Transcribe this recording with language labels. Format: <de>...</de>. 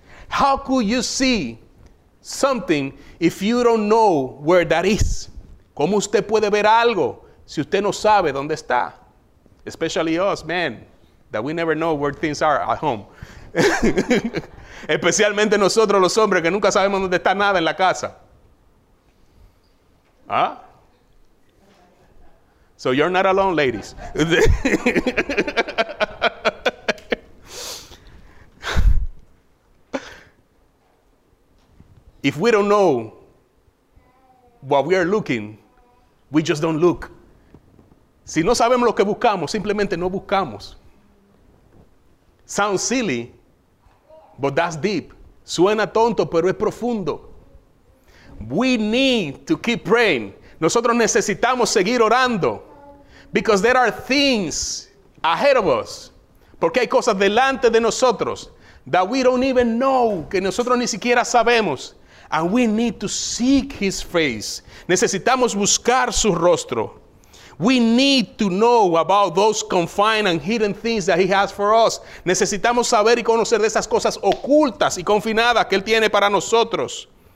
<en>How could you see something if you don't know where that is?</en> <es>¿Cómo usted puede ver algo si usted no sabe dónde está?</es> <en>Especially us, men, that we never know where things are at home.</en> <es>Especialmente nosotros los hombres que nunca sabemos dónde está nada en la casa. ¿Ah?</es> <en>So you're not alone, ladies. If we don't know what we are looking, we just don't look.</en> <es>Si no sabemos lo que buscamos, simplemente no buscamos.</es> <en>Sounds silly, but that's deep.</en> <es>Suena tonto, pero es profundo.</es> <en>We need to keep praying.</en> <es>Nosotros necesitamos seguir orando.</es> <en>Because there are things ahead of us.</en> <es>Porque hay cosas delante de nosotros</es> <en>that we don't even know,</en> <es>que nosotros ni siquiera sabemos.</es> <en>And we need to seek his face.</en> <es>Necesitamos buscar su rostro.</es> <en>We need to know about those confined and hidden things that he has for us.</en> <es>Necesitamos saber y conocer de esas cosas ocultas y confinadas que él tiene para nosotros.</es>